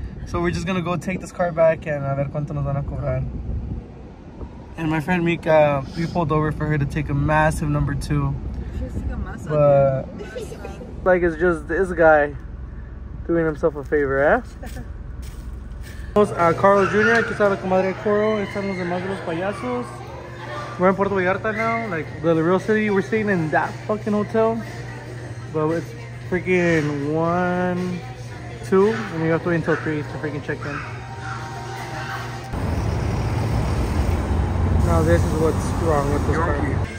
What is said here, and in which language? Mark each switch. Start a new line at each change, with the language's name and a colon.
English: So we're just gonna go take this car back and
Spanish: a ver cuánto nos van a cobrar.
English: And my friend Mika, we pulled over for her to take a massive number two. But like it's just this guy doing himself a favor, eh?
Spanish: Estamos a Carl Jr., aquí está la comadre de Coro, están los demás de los payasos.
English: We're in Puerto Vallarta now, like the real city. We're staying in that fucking hotel. But it's freaking 1, 2, and we have to wait until 3 to freaking check in. Now this is what's wrong with this car.